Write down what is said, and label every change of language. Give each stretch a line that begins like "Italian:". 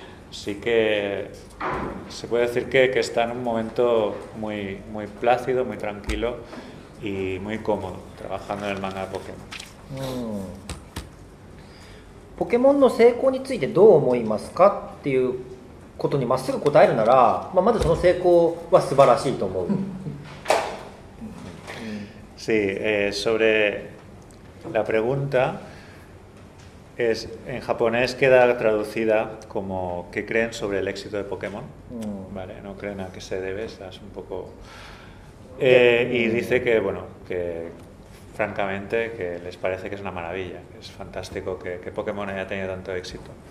Spanish: Así que se puede decir que está en un momento muy, muy plácido, muy tranquilo y muy cómodo trabajando en el manga de Pokémon.
Japanese: ポケモンの成功についてどう思いますかっていうことにまっすぐ答えるなら、まあ、まずその成功は素晴らしいと思う。
Spanish: Sí, sobre la pregunta es en japonés queda traducida como ¿qué creen sobre el éxito de Pokémon? Vale, no creen a qué se debe, estás un poco y dice que bueno que francamente que les parece que es una maravilla, es fantástico que Pokémon haya tenido tanto éxito.